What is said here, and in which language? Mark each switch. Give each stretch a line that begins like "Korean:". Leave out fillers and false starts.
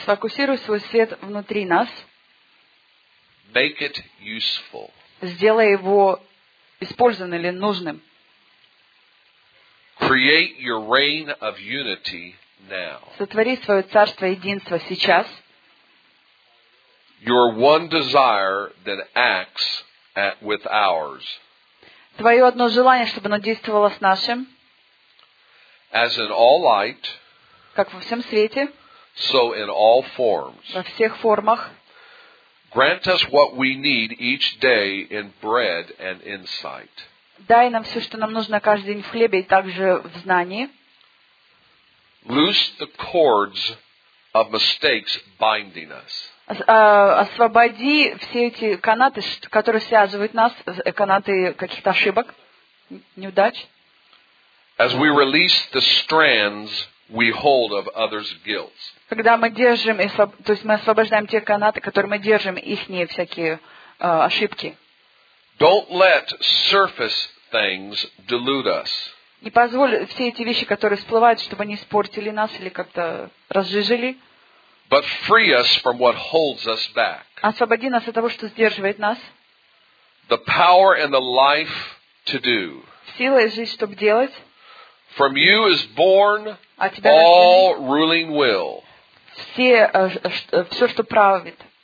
Russian: Сфокусируй свой свет внутри нас.
English: Make it useful.
Russian: Сделай его использованным или нужным.
English: Create your reign of unity now.
Russian: Сотвори свое царство единства сейчас.
English: Your one desire that acts at with ours.
Russian: Твое одно желание, чтобы оно действовало с нашим.
English: As in all light.
Russian: Как во всем свете.
English: So in all forms.
Russian: Во всех формах.
English: Grant us what we need each day in bread and insight.
Russian: Дай нам все, что нам нужно каждый день в хлебе и также в знании.
English: Loose the cords of mistakes binding us.
Russian: Освободи все эти канаты, которые связывают нас, канаты каких-то ошибок, неудач.
English: As we release the strands we hold of others' guilt.
Russian: Когда мы держим, то есть мы освобождаем те канаты, которые мы держим, их не всякие ошибки.
English: Don't let surface things delude us.
Russian: Не позволь все эти вещи, которые всплывают, чтобы они испортили нас или как-то разжижили.
English: But free us from what holds us back.
Russian: Освободи нас от того, что сдерживает нас.
English: The power and the life to do.
Russian: Сила и жизнь, чтобы делать.
English: From you is born all ruling will.
Russian: Все, что правит.